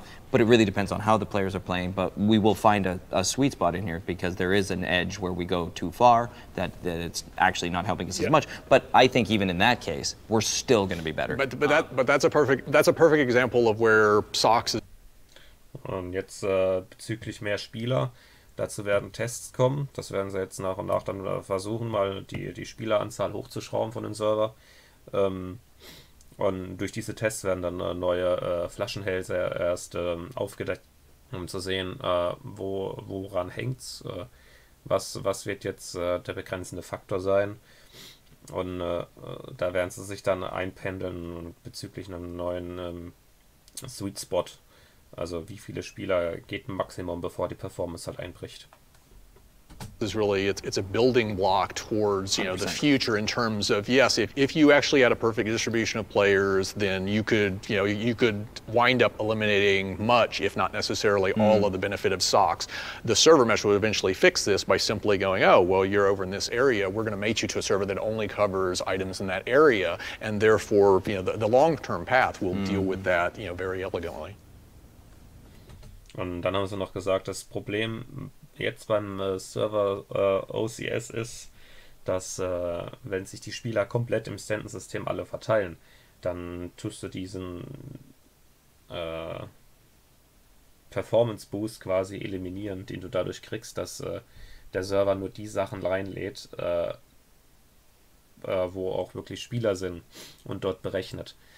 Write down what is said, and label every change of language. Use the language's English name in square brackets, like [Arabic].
[English] But it really depends on how the players are playing. But we will find a sweet spot in here, because there is an edge where we go too far that it's actually not helping us as much. But I think even in that case, we're still going to be better. But that's a perfect example of where SOX is. [German] Und jetzt bezüglich mehr Spieler. Dazu werden Tests kommen, das werden sie jetzt nach und nach dann versuchen, mal die Spieleranzahl hochzuschrauben von dem Server. Und durch diese Tests werden dann neue Flaschenhälse erst aufgedeckt, um zu sehen, woran hängt es, was wird jetzt der begrenzende Faktor sein. Und da werden sie sich dann einpendeln bezüglich einem neuen Sweet Spot. Also, wie viele Spieler geht Maximum, bevor die Performance halt einbricht? [English] Is really it's a building block towards, you know, 100%. The future in terms of, yes, if you actually had a perfect distribution of players, then you could, you know, you could wind up eliminating much, if not necessarily all of the benefit of SOX. The server mesh would eventually fix this by simply going, oh, well, you're over in this area, we're going to mate you to a server that only covers items in that area, and therefore, you know, the long-term path will deal with that, you know, very elegantly. [German] Und dann haben sie noch gesagt, das Problem jetzt beim Server OCS ist, dass wenn sich die Spieler komplett im Stanton-System alle verteilen, dann tust du diesen Performance-Boost quasi eliminieren, den du dadurch kriegst, dass der Server nur die Sachen reinlädt, wo auch wirklich Spieler sind und dort berechnet.